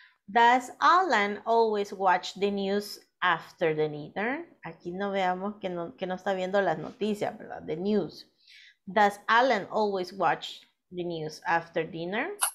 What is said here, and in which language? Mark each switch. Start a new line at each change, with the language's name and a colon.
English: Does Alan always watch the news after the dinner?
Spanish: Aquí no veamos que no está viendo las noticias, ¿verdad?
English: The news. Does Alan always watch the news after dinner?